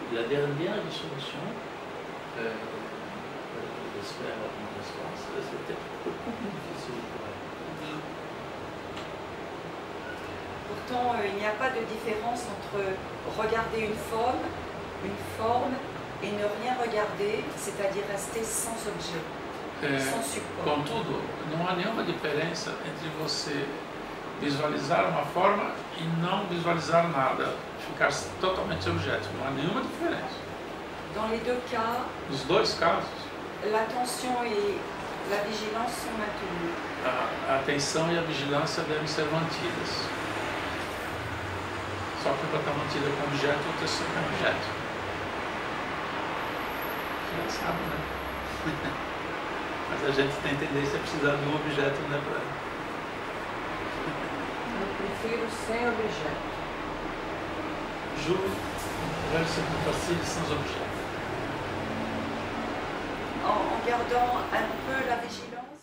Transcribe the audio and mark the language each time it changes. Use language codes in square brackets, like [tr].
[fr] La dernière dissolution, j'espère avoir une espace, c'était beaucoup plus difficile pour elle. Pourtant, il n'y a pas de différence entre regarder une forme, et ne rien regarder, c'est-à-dire rester sans objet. [pt] Contudo, não há nenhuma diferença entre você visualizar uma forma e não visualizar nada, ficar totalmente objeto. Não há nenhuma diferença. [fr] Dans les deux cas, [pt] nos dois casos, [fr] l'attention et la vigilance sont maintenues. [pt] A atenção e a vigilância devem ser mantidas. Só que para estar mantida com objeto, o terceiro é objeto. Já sabe, né? Mas a gente tem tendência a precisar de um objeto, né, pra... Eu prefiro sem objeto. Juro, deve ser muito fácil sem os objetos. [fr] En gardant un peu la vigilance.